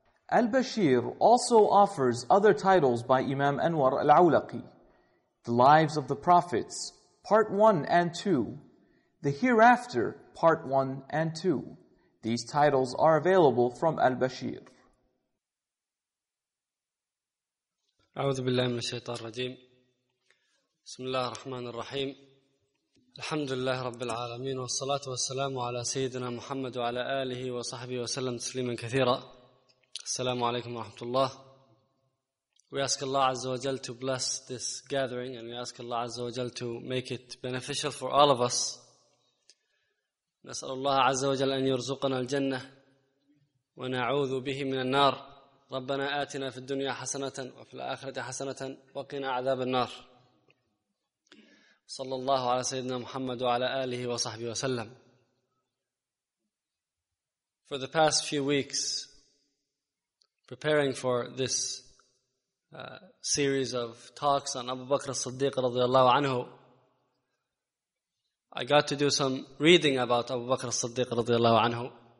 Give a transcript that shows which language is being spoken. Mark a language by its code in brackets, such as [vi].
[en] Al-Bashir also offers other titles by Imam Anwar al-Awlaqi, The Lives of the Prophets, Part 1 and 2, The Hereafter, Part 1 and 2. These titles are available from Al-Bashir. [ar] أعوذ بالله من الشيطان الرجيم بسم الله الرحمن الرحيم الحمد لله رب العالمين والصلاة والسلام على سيدنا محمد وعلى آله وصحبه وسلم تسليما كثيرا السلام عليكم ورحمة الله. [en] We ask Allah Azza wa Jal to bless this gathering, and we ask Allah Azza wa Jal to make it beneficial for all of us. [ar] نسأل الله عز وجل أن يرزقنا الجنة ونعوذ به من النار. ربنا آتنا في الدنيا حسنة وفي الآخرة حسنة وقنا عذاب النار. صلى الله على سيدنا محمد وعلى آله وصحبه وسلم. [en] For the past few weeks, preparing for this series of talks on Abu Bakr as-Siddiq رضي الله عنه, I got to do some reading about Abu Bakr as-Siddiq رضي الله عنه.